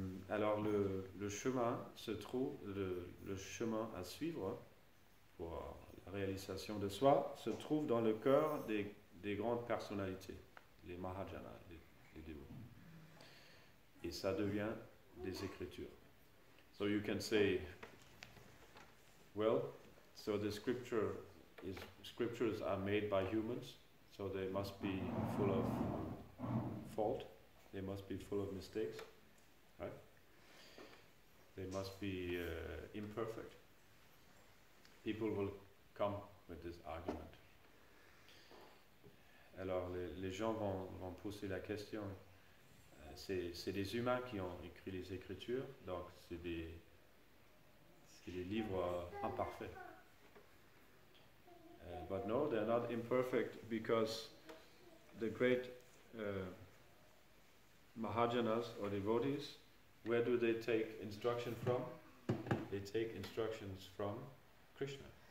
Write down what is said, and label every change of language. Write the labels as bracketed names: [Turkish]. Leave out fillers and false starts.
[French] Alors le chemin se trouve le chemin à suivre pour la réalisation de soi se trouve dans le cœur des grandes personnalités, les mahajanas, les devots. Et ça devient des écritures. [English] So you can say, well, so the scripture is scriptures are made by humans, so they must be full of fault, they must be full of mistakes. They must be imperfect. People will come with this argument. [French] Alors les gens vont pousser la question. C'est des humains qui ont écrit les écritures, donc c'est des livres imparfaits. [English] But no, they're not imperfect because the great mahajanas or devotees. Where do they take instruction from? They take instructions from Krishna.